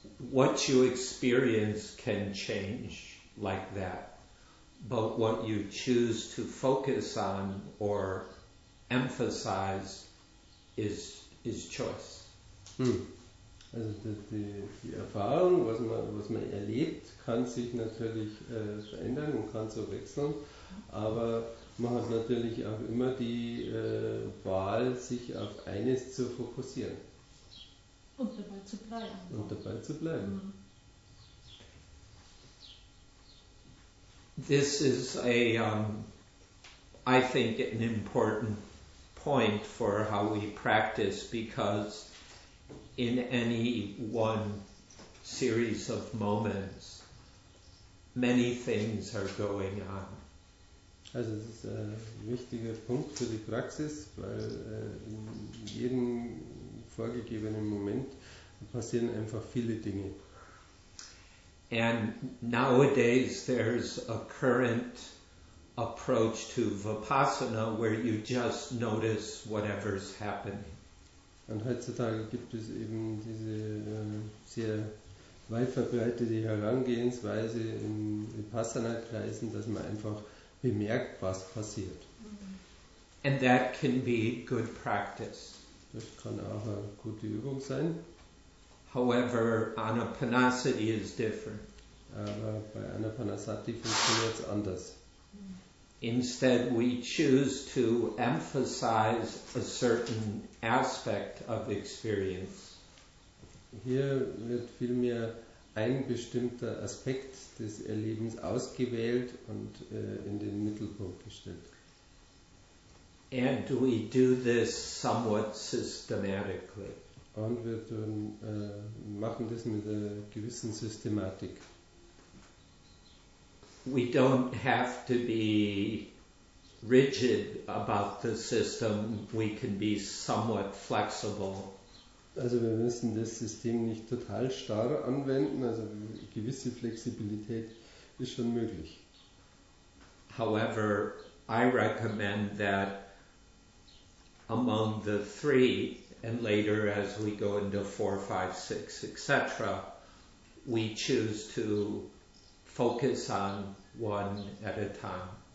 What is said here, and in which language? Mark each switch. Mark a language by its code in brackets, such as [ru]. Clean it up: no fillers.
[en] What you experience can change like that, but what you choose to focus on or emphasize is is choice. Hm. [de] Also die Erfahrung, was man erlebt, kann sich natürlich verändern und kann so wechseln, aber man hat natürlich auch immer die Wahl, sich auf eines zu fokussieren. Und dabei zu bleiben. Und dabei zu bleiben. [en] This is a, I think, an important point for how we practice, because in any one series of moments, many things are going on. [de] Also es ist ein wichtiger Punkt für die Praxis, weil in jedem vorgegebenen Moment passieren einfach viele Dinge. [en] And nowadays there's a current approach to Vipassana where you just notice whatever's happening. [de] Und heutzutage gibt es eben diese sehr weit verbreitete Herangehensweise in Vipassana-Kreisen, dass man einfach bemerkt, was passiert. [en] And that can be good practice. [de] Das kann auch eine gute Übung sein. [en] However, Anapanasati is different. [de] Aber bei Anapanasati funktioniert es anders. [en] Instead, we choose to emphasize a certain aspect of experience. [de] Hier wird vielmehr ein bestimmter Aspekt des Erlebens ausgewählt und in den Mittelpunkt gestellt. [en] And we do this somewhat systematically. [de] Und wir tun, machen das mit einer gewissen Systematik. [en] We don't have to be rigid about the system. We can be somewhat flexible. [de] Also wir müssen das System nicht total starr anwenden. Also gewisse Flexibilität ist schon möglich. [en] However, I recommend that among the three, and later as we go into 4, 5, 6, etc., we choose to focus on one at a time.